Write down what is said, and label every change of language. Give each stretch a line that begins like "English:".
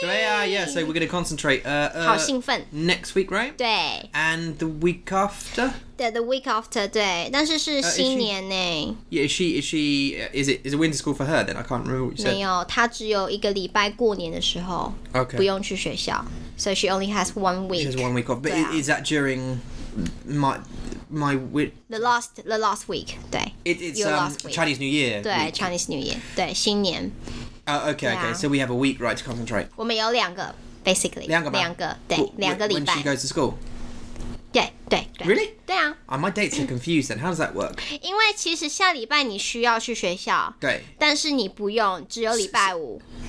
Chinese: 对啊
English: ，Yeah, so we're going to concentrate.
Chinese: 好兴奋。
English: Next week, right?
Chinese: 对。
English: And the week after? Yeah, the week after.
Chinese: 对，但是是新年呢。
English: Yeah, is it winter school for her? Then I can't remember what you said.
Chinese: 没有，她只有一个礼拜过年的时候
English: ，OK，
Chinese: 不用去学校
English: ，so she only has 1 week. She has 1 week off, but、啊、is that during my the last week, 对 it's week. Chinese New Year, 对 Chinese New Year,
Chinese: 对新年、
English: okay、 yeah. okay, so we have a week right to concentrate.
Chinese: 我们有两个 basically 两个对 两个礼拜
English: when she goes to school.
Chinese: 对
English: really
Chinese: 对啊
English: my dates are confused then. How does that work?
Chinese: 因为其实下礼拜你需要去学校，对，但是你不用，只有礼拜五。